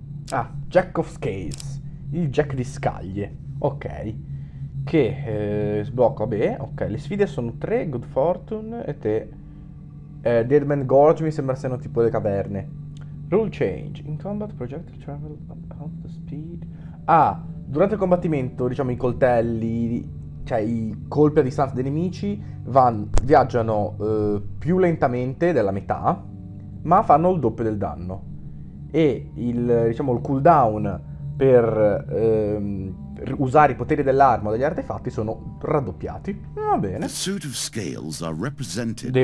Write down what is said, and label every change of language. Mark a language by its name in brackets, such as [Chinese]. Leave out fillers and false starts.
[Italian] Ah, Jack of Scales, il Jack di scaglie, ok. Che sblocco, vabbè, ok, le sfide sono tre, Good Fortune e te. Dead Man Gorge mi sembra siano tipo le caverne. [English] Rule change. In combat, projectile travel at the speed. [Italian] Ah, durante il combattimento, diciamo, i coltelli, cioè i colpi a distanza dei nemici, viaggiano più lentamente della metà, ma fanno il doppio del danno. E diciamo, il cooldown per usare i poteri dell'arma o degli artefatti sono raddoppiati. Va [English] The [Italian] bene. [English] suit of scales are represented by